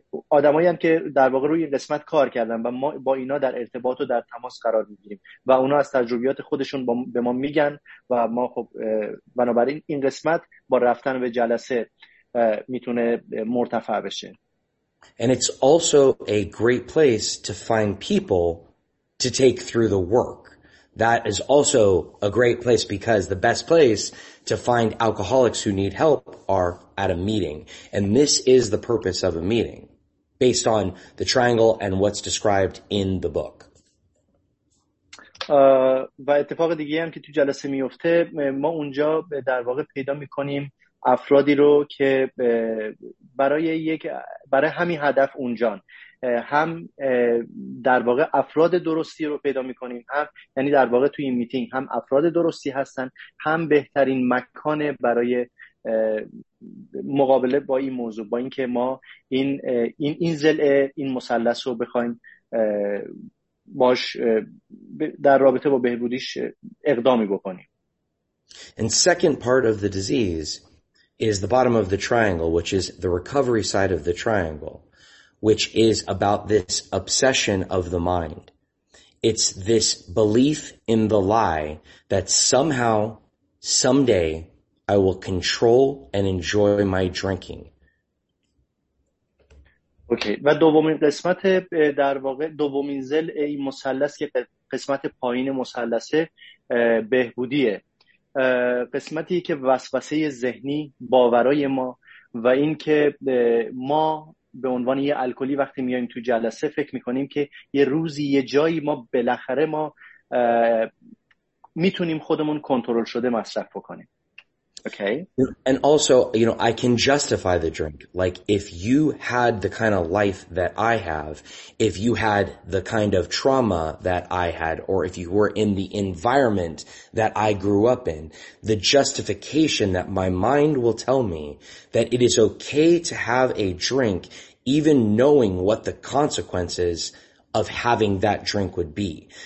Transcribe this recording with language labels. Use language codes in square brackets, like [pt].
[fa] آدمایی هم که در واقع روی این قسمت کار کردن و ما با اینا در ارتباط و در تماس قرار میگیریم و اونا از تجربیات خودشون به ما میگن و ما خب بنابراین این قسمت با رفتن به جلسه میتونه مرتفع بشه. [en] And it's also a great place to find people to take through the work. That is also a great place because the best place to find alcoholics who need help are at a meeting. And this is the purpose of a meeting based on the triangle and what's described in the book. [fa] و اتفاق دیگه هم که تو جلسه میفته ما اونجا در واقع پیدا میکنیم افرادی رو که برای همین هدف اونجان هم در واقع افراد درستی رو پیدا میکنیم، هم یعنی در واقع توی این میتینگ هم افراد درستی هستن، هم بهترین مکان برای مقابله با این موضوع، با اینکه ما این زلعه، این مثلث رو بخوایم باش در رابطه با بهبودیش اقدامی بکنیم. [en] And second part of the disease is the bottom of the triangle, which is the recovery side of the triangle, which is about this obsession of the mind. It's this belief in the lie that somehow, someday, I will control and enjoy my drinking. Okay. [fa] و دومین قسمت در واقع دومین ضلع این مثلث که قسمت پایین مثلث بهبودیه، قسمتی که وسوسه ذهنی، باورای ما و این که ما به عنوان یه الکلی وقتی میایم تو جلسه فکر میکنیم که یه روزی یه جایی ما بالاخره ما میتونیم خودمون کنترل شده مصرف بکنیم. [en] Okay. And also, you know, I can justify the drink. Like, if you had the kind of life that I have, if you had the kind of trauma that I had, or if you were in the environment that I grew up in, the justification that my mind will tell me that it is okay to have a drink, even knowing what the consequences of having that drink would be.